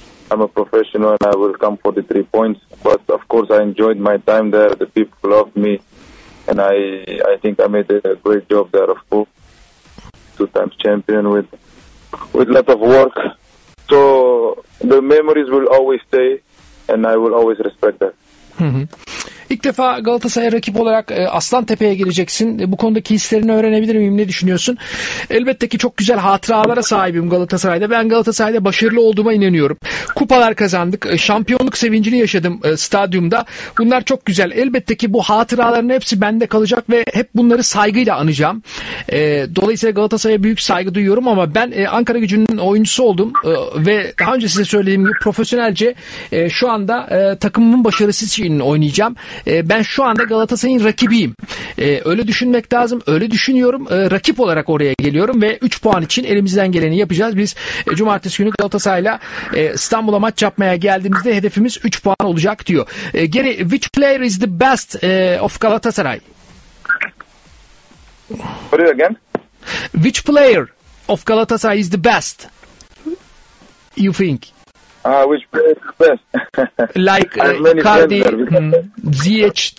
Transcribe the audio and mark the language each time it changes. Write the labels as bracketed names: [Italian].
[English] I'm a professional and I will come for the 3 points. But of course I enjoyed my time there. The people loved me and I think I made a great job there, of course. 2 times champion with a lot of work. So the memories will always stay and I will always respect that. [Turkish] İlk defa Galatasaray rakip olarak Aslantepe'ye geleceksin. Bu konudaki hislerini öğrenebilir miyim? Ne düşünüyorsun? Elbette ki çok güzel hatıralara sahibim Galatasaray'da. Ben Galatasaray'da başarılı olduğuma inanıyorum. Kupalar kazandık. Şampiyonluk sevincini yaşadım stadyumda. Bunlar çok güzel. Elbette ki bu hatıraların hepsi bende kalacak ve hep bunları saygıyla anacağım. Dolayısıyla Galatasaray'a büyük saygı duyuyorum ama ben Ankara Gücü'nün oyuncusu oldum. Ve daha önce size söylediğim gibi profesyonelce şu anda takımımın başarısı için oynayacağım. Ben şu anda Galatasaray'ın rakibiyim. Öyle düşünmek lazım. Öyle düşünüyorum. Rakip olarak oraya geliyorum ve 3 puan için elimizden geleni yapacağız. Biz cumartesi günü Galatasaray'la İstanbul'a maç yapmaya geldiğimizde hedefimiz 3 puan olacak diyor. [English] Geri, which player is the best of Galatasaray? What is it again? Which player of Galatasaray is the best? You think? Which player is the best? Like Cardi, ZH.